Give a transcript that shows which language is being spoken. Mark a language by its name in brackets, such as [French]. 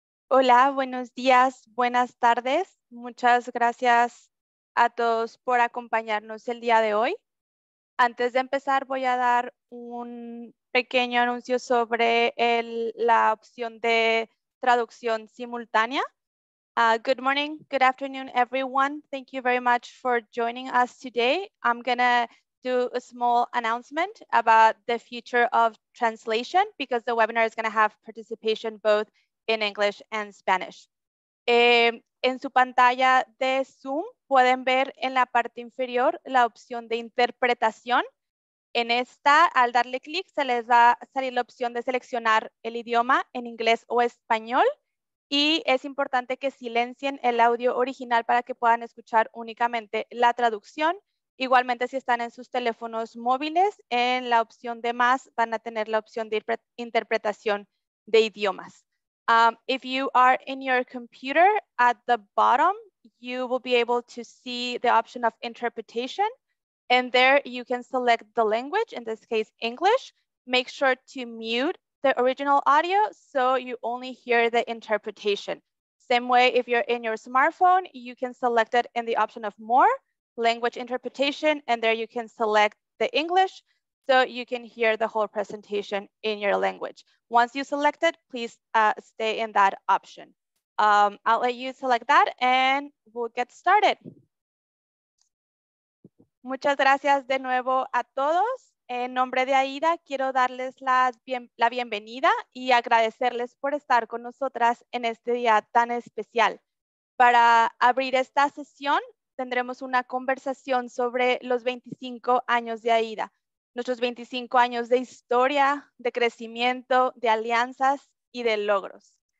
[Spanish] Hola, buenos días, buenas tardes. Muchas gracias a todos por acompañarnos el día de hoy. Antes de empezar, voy a dar un pequeño anuncio sobre la opción de traducción simultánea. [English] Good morning, good afternoon, everyone. Thank you very much for joining us today. I'm gonna do a small announcement about the future of translation because the webinar is gonna have participation both in English and Spanish. [Spanish] En su pantalla de Zoom pueden ver en la parte inferior la opción de interpretación. En esta, al darle clic, se les va a salir la opción de seleccionar el idioma en inglés o español. Y es importante que silencien el audio original para que puedan escuchar únicamente la traducción. Igualmente, si están en sus teléfonos móviles, en la opción de más van a tener la opción de interpretación de idiomas. [English] If you are in your computer, at the bottom, you will be able to see the option of interpretation. And there you can select the language, in this case, English. Make sure to mute the original audio so you only hear the interpretation. Same way, if you're in your smartphone, you can select it in the option of more, language interpretation, and there you can select the English so you can hear the whole presentation in your language. Once you select it, please stay in that option. I'll let you select that and we'll get started. [Spanish] Muchas gracias de nuevo a todos. En nombre de AIDA, quiero darles la bienvenida y agradecerles por estar con nosotras en este día tan especial. Para abrir esta sesión, tendremos una conversación sobre los 25 años de AIDA, nuestros 25 años de historia, de crecimiento, de alianzas y de logros.